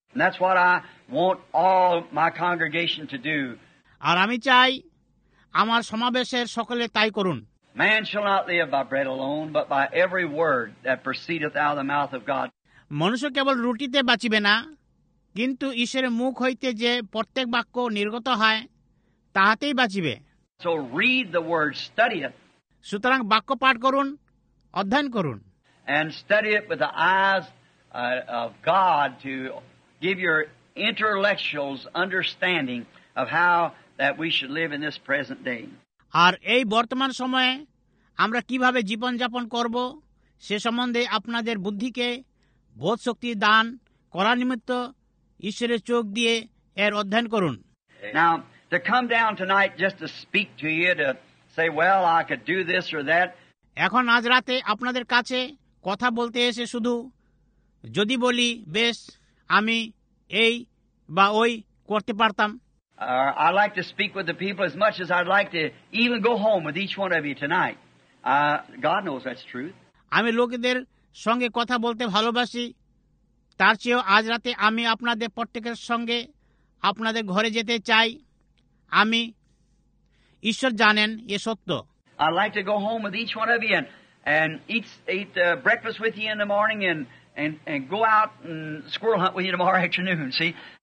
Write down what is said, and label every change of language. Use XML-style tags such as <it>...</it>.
<en>That's what I want all my congregation to do.</en> <bn>আর আমি চাই আমার সমাবেশের সকলে তাই করুন।</bn> <en>Man shall not live by bread alone, but by every word that proceedeth out of the mouth of God.</en> <bn>মনুষ্য কেবল রুটিতে বাঁচিবে না, কিন্তু ঈশ্বরের মুখ হইতে যে প্রত্যেক বাক্য নির্গত হয় তাহাতেই বাঁচিবে।</bn> <en>So read the word, study it.</en> <bn>সুতরাং বাক্য পাঠ করুন, অধ্যয়ন করুন।</bn> <en>And study it with the eyes of God to give your intellectuals understanding of how that we should live in this present day.</en> <bn>আর এই বর্তমান সময়ে আমরা কিভাবে জীবন যাপন করব সে সম্বন্ধে আপনাদের বুদ্ধিকে বোধ শক্তি দান করার নিমিত্ত ঈশ্বরের চোখ দিয়ে এর অধ্যয়ন করুন।</bn> <en>Now to come down tonight just to speak to you to say, well, I could do this or that.</en> <bn>এখন আজ রাতে আপনাদের কাছে কথা বলতে এসে শুধু যদি বলি বেশ আমি এই বা ওই করতে পারতাম,</bn> <en>I like to speak with the people as much as I'd like to even go home with each one of you tonight. God knows that's truth.</en> <bn>আমি লোকেদের সঙ্গে কথা বলতে ভালোবাসি, তার চেয়েও আজ রাতে আমি আপনাদের প্রত্যেকের সঙ্গে আপনাদের ঘরে যেতে চাই। আমি ঈশ্বর জানেন এ সত্য।</bn> <en>I'd like to go home with each one of you and eat breakfast with you in the morning and go out and squirrel hunt with you tomorrow afternoon, see?</en>